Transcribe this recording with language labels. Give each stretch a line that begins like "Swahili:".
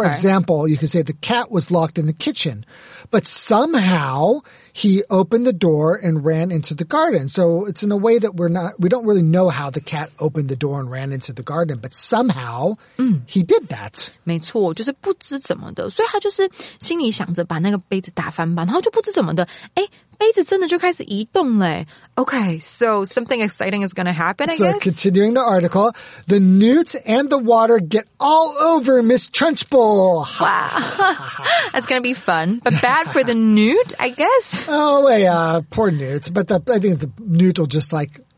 English: okay. example, you could say the cat was locked in the kitchen, but somehow he opened the door and ran into the garden. So it's in a way that we don't really know how the cat opened the door and ran into the garden, but somehow he did that.
Chinese: 没错就是不知怎么的。所以他就是心里想着把那个杯子打翻吧然后就不知怎么的。诶杯子真的就开始移动了。
English: Okay, so something exciting is going to happen, I guess. So continuing the article, the newts and the water get all over Miss Trunchbull. Wow. That's going to be fun, but bad for the newt, I guess. Oh, wait, poor newt. But I think the newt will just like...